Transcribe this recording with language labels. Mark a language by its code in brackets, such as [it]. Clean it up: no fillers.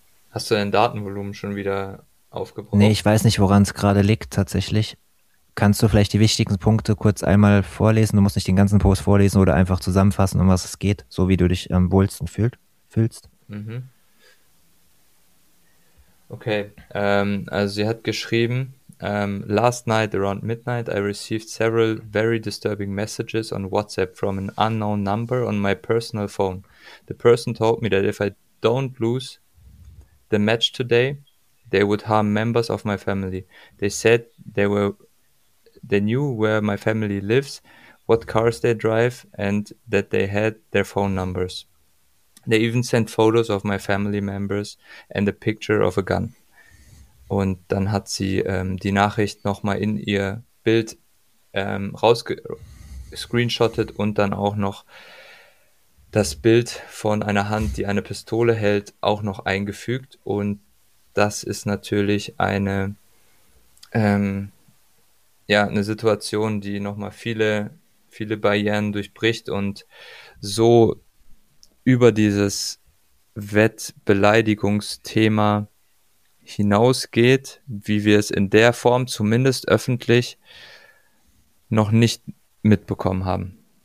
[de] Hast du dein Datenvolumen schon wieder aufgebraucht? Nee, ich weiß nicht, woran es gerade liegt tatsächlich. Kannst du vielleicht die wichtigsten Punkte kurz einmal vorlesen? Du musst nicht den ganzen Post vorlesen oder einfach zusammenfassen, um was es geht, so wie du dich am wohlsten fühlst. Mhm. Okay, also sie hat geschrieben, [en] last night around midnight, I received several very disturbing messages on WhatsApp from an unknown number on my personal phone. The person told me that if I don't lose the match today, they would harm members of my family. They said they knew where my family lives, what cars they drive, and that they had their phone numbers. They even sent photos of my family members and a picture of a gun. [de] Und dann hat sie die Nachricht nochmal in ihr Bild rausgescreenshottet und dann auch noch das Bild von einer Hand, die eine Pistole hält, auch noch eingefügt. Und das ist natürlich eine Situation, die nochmal viele, viele Barrieren durchbricht und so über dieses Wettbeleidigungsthema hinausgeht, wie wir es in der Form zumindest öffentlich noch nicht mitbekommen haben.